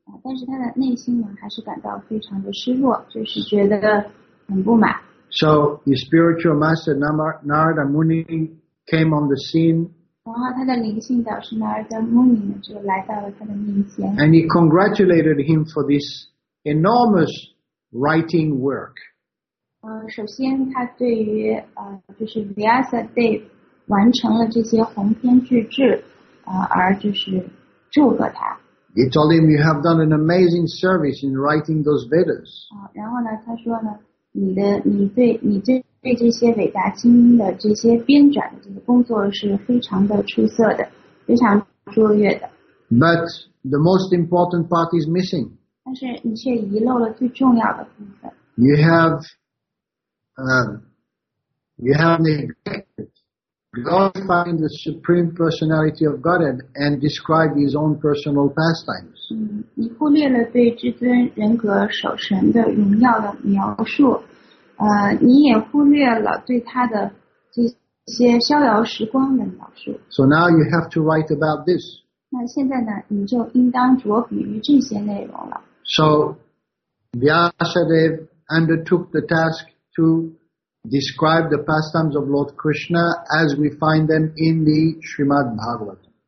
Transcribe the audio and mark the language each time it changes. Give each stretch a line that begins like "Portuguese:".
Chinese: 但是他的内心呢，还是感到非常的失落，就是觉得很不满。
English: So his spiritual master Narada Muni came on the scene.
Chinese: 然后他的灵性导师 Narada Muni 就来到了他的面前。
English: And he congratulated him for this enormous. Writing work.
Chinese: 首先他对于就是 Vyasadeva 完成了这些鸿篇巨制而就是祝贺他。
English: He told him you have done an amazing service in writing those Vedas.
Chinese: 然后呢他说呢你对这些伟达经的这些编撰的这个工作是非常的出色的非常卓越的。
English: But the most important part is missing.
Chinese: 但是你却遗漏了最重要的部分。
English: You have neglected glorifying the Supreme Personality of Godhead and described his own personal pastimes.
Chinese: 你忽略了对至尊人格守神的荣耀的描述，你也忽略了对他的这些逍遥时光的描述。
English: So now you have to write about this.
Chinese: 那现在呢，你就应当着笔于这些内容了。
English: So, Vyasadeva undertook the task to describe the pastimes of Lord Krishna as we find them in the Srimad Bhagavatam.